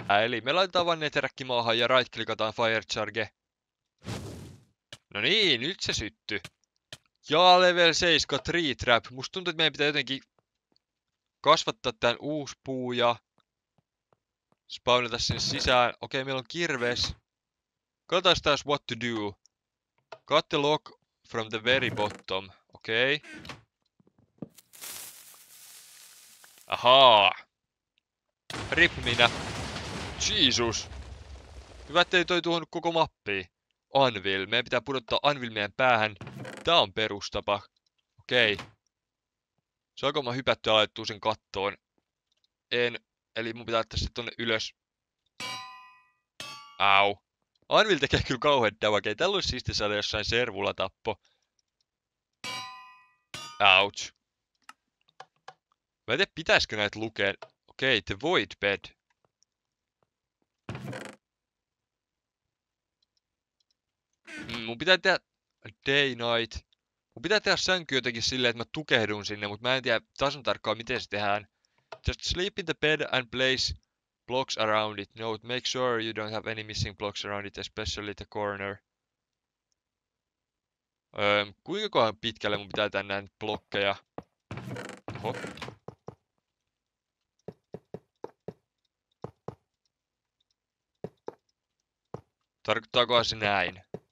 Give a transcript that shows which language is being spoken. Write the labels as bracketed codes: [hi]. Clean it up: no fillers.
[fi] Eli me laitetaan vaan netherräkki maahan ja right klikataan fire charge. No niin, nyt se sytty. Ja level 7 tree trap. Musta tuntuu, että meidän pitää jotenkin kasvattaa tän uusi puu ja spawnata sen sisään. Okei, meillä on kirves. Katsotaan taas [en] what to do. Cut the log from the very bottom. [fi] Okei. Ahaa. Rip minä. Jesus. Hyvä, ettei toi tuhonnut koko mappii. Anvil. Meidän pitää pudottaa anvil meidän päähän. Tää on perustapa. Okei. Saanko mä hypätty ja laitettu sen kattoon? En. Eli mun pitää laittaa se tonne ylös. Au. Anvil tekee kyllä kauhean damakeen. Täällä olisi siisti saada jossain servulla tappo. Ouch. Mä en tiedä, pitäisikö näitä lukea. Okei, [en] the void bed. [fi] Mun pitää tehdä day night. Mun pitää tehdä sänky jotenkin silleen, että mä tukehdun sinne, mutta mä en tiedä tasan tarkkaan, miten se tehdään. [en] Just sleep in the bed and place blocks around it. Note, make sure you don't have any missing blocks around it, especially the corner. [fi] Kuinka kohan pitkälle mun pitää tehdä näitä blokkeja? Oho. Tarkoittaakohan se näin?